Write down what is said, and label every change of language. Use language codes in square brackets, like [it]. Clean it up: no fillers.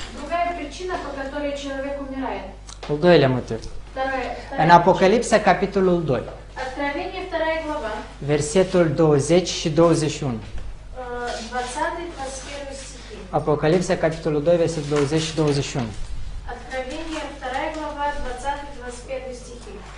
[ru] Другая причина, по которой человек умирает. [ro] Al doilea motiv. În Apocalipsa, capitolul 2. [ru] Откровение, 2 глава. [ro] Versetul 20 și 21. [ru] 20-21 стихи. [ro] Apocalipsa, capitolul 2, versetul 20 și 21. [ru] Откровение, 2 глава, 20-21 стихи.